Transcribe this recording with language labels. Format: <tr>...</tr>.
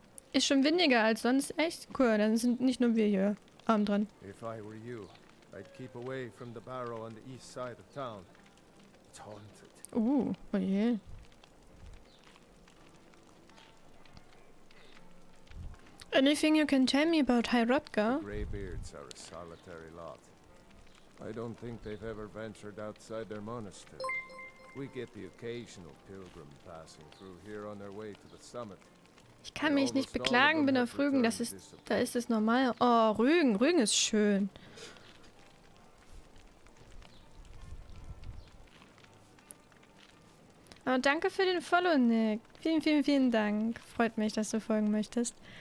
<de>Ist schon windiger als sonst. Echt? Cool, dann sind nicht nur wir hier arm dran.</de> <en>I'd keep away from the barrow on the east side of town. It's haunted. Ooh, oh yeah. Anything you can tell me about Hyrotka? The Greybeards are a solitary lot. I don't think they've ever ventured outside their monastery. We get the occasional pilgrim passing through here on their way to the summit.</en> <de>Ich kann mich nicht beklagen, bin auf Rügen. Das ist, da ist es normal. Oh, Rügen, Rügen ist schön. Oh, danke für den Follow, Nick. Vielen, vielen, vielen Dank. Freut mich, dass du folgen möchtest.</de>